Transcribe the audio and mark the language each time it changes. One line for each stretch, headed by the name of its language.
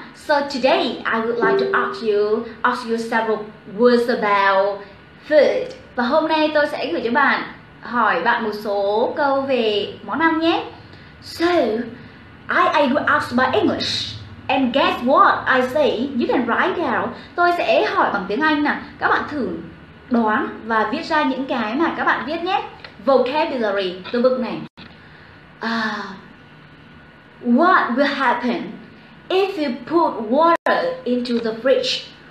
English: So today I would like to ask you several words about food.
Vietnamese: Và hôm nay tôi sẽ gửi cho bạn, hỏi bạn một số câu về món ăn nhé.
English: So I will ask by English. And guess what I say? You can write down.
Vietnamese: Tôi sẽ hỏi bằng tiếng Anh nè. Các bạn thử đoán và viết ra những cái mà các bạn viết nhé. Vocabulary, từ vựng này.
English: What will happen if you put water into the fridge?